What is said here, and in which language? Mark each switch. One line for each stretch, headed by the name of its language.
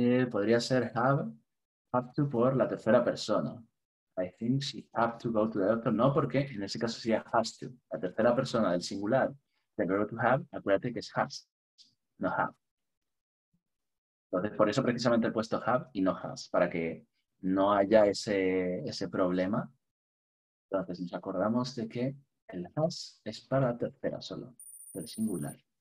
Spanish: Podría ser have to por la tercera persona.
English: I think she have to go to the doctor.
Spanish: No, porque en ese caso sería has to. La tercera persona del singular, the girl to have, acuérdate que es has, no have. Entonces, por eso precisamente he puesto have y no has, para que no haya ese problema. Entonces, nos acordamos de que el has es para la tercera solo, del singular.